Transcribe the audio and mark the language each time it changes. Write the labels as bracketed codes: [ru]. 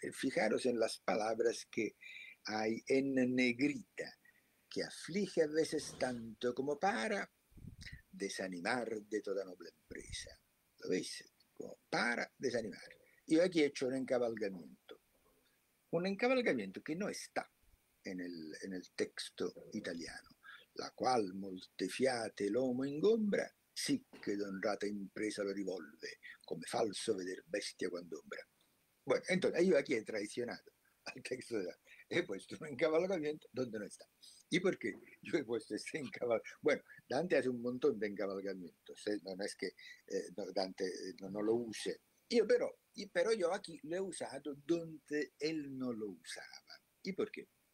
[es] Fijaros en las palabras que hay en negrita, que aflige a veces tanto como para desanimar de toda noble empresa. ¿Lo veis? Como para desanimar. Yo aquí he hecho un encabalgamiento. Un encabalgamiento que no está en el texto italiano. [it] La cual molte fiate l'uomo ingombra, sì che d'onrata impresa lo rivolve, come falso veder bestia quando ombra. [es] Bueno, entonces yo aquí he traicionado al texto de la... He puesto un encabalgamiento donde no está. ¿Y por qué? Yo he puesto este encabalgamiento. Bueno, Dante hace un montón de encabalgamientos, ¿eh? No es que Dante no lo use. Pero yo aquí lo he usado donde él no lo usaba. ¿Y por qué?